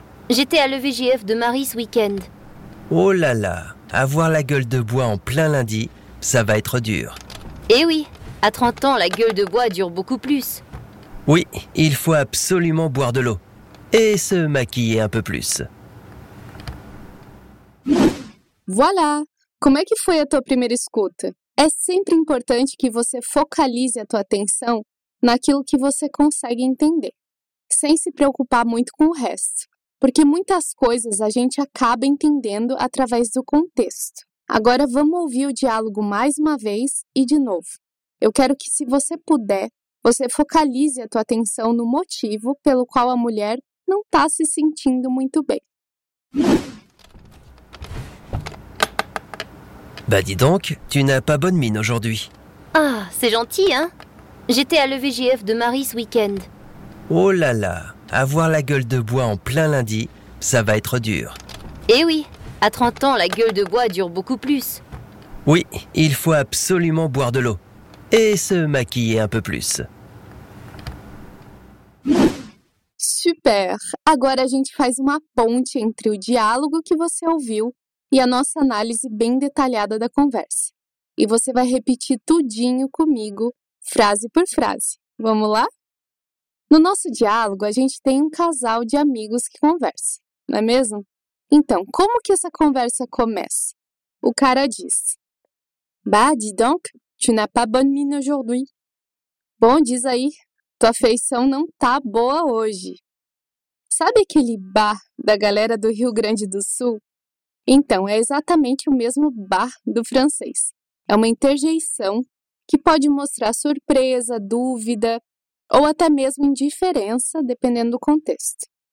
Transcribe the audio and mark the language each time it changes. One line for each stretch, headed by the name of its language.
French: J'étais à l'EVJF de Marie ce week-end. Oh là là, avoir la gueule de bois en plein lundi, ça va être dur. Eh oui, à 30 ans, la gueule de bois dure beaucoup plus. Oui, il faut absolument boire de l'eau. Et se maquiller un peu plus.
Portuguese: Voilà, como é que foi a tua primeira escuta? É sempre importante que você focalize a tua atenção naquilo que você consegue entender, sem se preocupar muito com o resto. Porque muitas coisas a gente acaba entendendo através do contexto. Agora vamos ouvir o diálogo mais uma vez e de novo. Eu quero que, se você puder, você focalize a tua atenção no motivo pelo qual a mulher não está se sentindo muito bem.
French: Bah dis donc, tu n'as pas bonne mine aujourd'hui. Ah, c'est gentil, hein? J'étais à l'EVJF de Marie ce week-end. Oh là là, avoir la gueule de bois en plein lundi, ça va être dur. Eh oui, à 30 ans, la gueule de bois dure beaucoup plus. Oui, il faut absolument boire de l'eau. Et se maquiller un peu plus. Super!
Portuguese: Agora a gente faz uma ponte entre o diálogo que você ouviu e a nossa análise bem detalhada da conversa. E você vai repetir tudinho comigo, frase por frase. Vamos lá? No nosso diálogo, a gente tem um casal de amigos que conversa, não é mesmo? Então, como que essa conversa começa? O cara diz:
French: Bah, dis donc, tu n'as pas bonne mine aujourd'hui.
Portuguese: Bom, diz aí, Tua feição não tá boa hoje. Sabe aquele bar da galera do Rio Grande do Sul? Então, é exatamente o mesmo bar do francês. É uma interjeição que pode mostrar surpresa, dúvida ou até mesmo indiferença, dependendo do contexto.